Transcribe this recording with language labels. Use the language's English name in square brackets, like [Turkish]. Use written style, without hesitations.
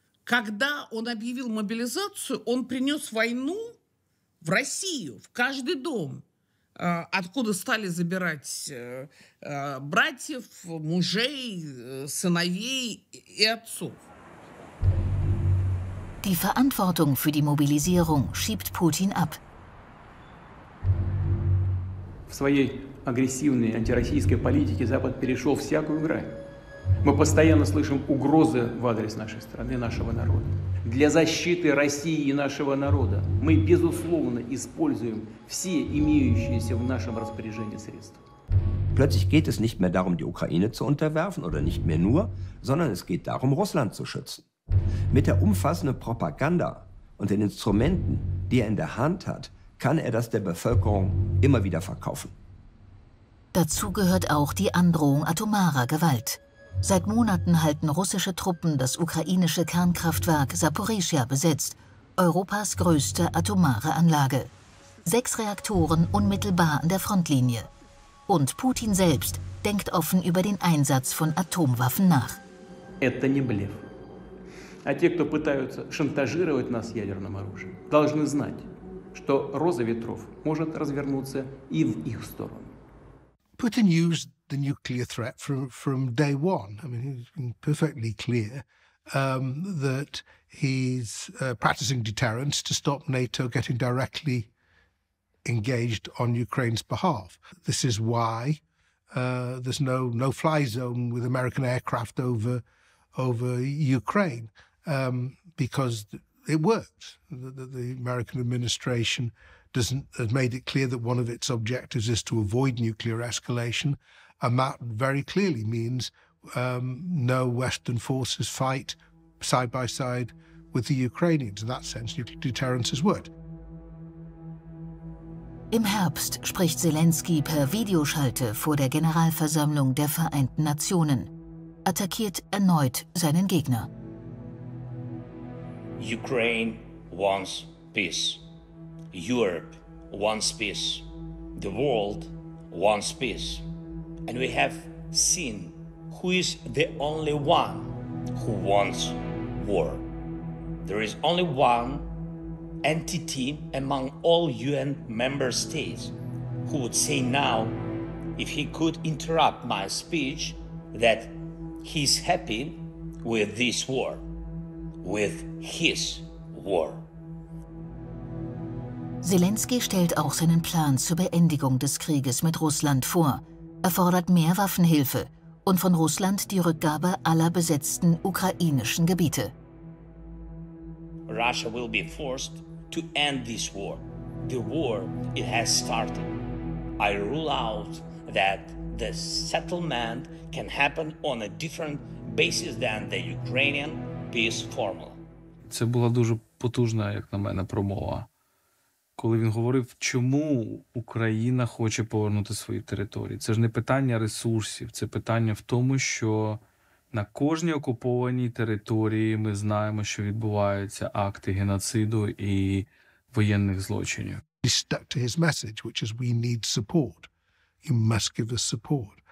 [Russian] Когда он объявил мобилизацию, он принес войну в Россию, в каждый дом. Откуда стали забирать братьев, мужей, сыновей и отцов. [German] Die Verantwortung für die Mobilisierung schiebt Putin ab. [Russian] В своей агрессивной антироссийской политике Запад перешел всякую грань. Мы постоянно слышим угрозы в адрес нашей страны, нашего народа. Для защиты России и нашего народа мы, безусловно, используем все имеющиеся в нашем распоряжении средства. [German] Plötzlich geht es nicht mehr darum, die Ukraine zu unterwerfen oder nicht mehr nur, sondern es geht darum, Russland zu schützen. Mit der umfassenden Propaganda und den Instrumenten, die er in der Hand hat, kann er das der Bevölkerung immer wieder verkaufen. Dazu gehört auch die Androhung atomarer Gewalt. Seit Monaten halten russische Truppen das ukrainische Kernkraftwerk Saporischschja besetzt, Europas größte atomare Anlage. 6 Reaktoren unmittelbar an der Frontlinie. Und Putin selbst denkt offen über den Einsatz von Atomwaffen nach. Это не блеф. А те, кто пытаются шантажировать нас ядерным оружием, должны знать, что роза ветров может развернуться и в их сторону. [English] Putin used the nuclear threat from day one. I mean, he's been perfectly clear that he's practicing deterrence to stop NATO getting directly engaged on Ukraine's behalf. This is why there's no-fly zone with American aircraft over Ukraine, because it works. The American administration has made it clear that one of its objectives is to avoid nuclear escalation, and that very clearly means no Western forces fight side by side with the Ukrainians. In that sense, nuclear deterrence has worked. [German] Im Herbst spricht Zelensky per Videoschalte vor der Generalversammlung der Vereinten Nationen, attackiert erneut seinen Gegner. [English] Ukraine wants peace. Europe wants peace. The world wants peace. And we have seen who is the only one who wants war. There is only one entity among all UN member states who would say now, if he could interrupt my speech, that he's happy with this war, with his war. [German] Zelensky stellt auch seinen Plan zur Beendigung des Krieges mit Russland vor, erfordert mehr Waffenhilfe und von Russland die Rückgabe aller besetzten ukrainischen Gebiete. [English] Russia will be forced to end this war. The war, it has started. I rule out that the settlement can happen on a different basis than the Ukrainian peace formula. [Ukrainian] Це була дуже потужна, як на мене, промова, коли він говорив, чому Україна хоче повернути свої території. Це ж не питання ресурсів, це питання в тому, що на кожній окупованій території ми знаємо, що відбуваються акти геноциду і воєнних злочинів. [English] He stuck to his message, which is we need support. You must give us support.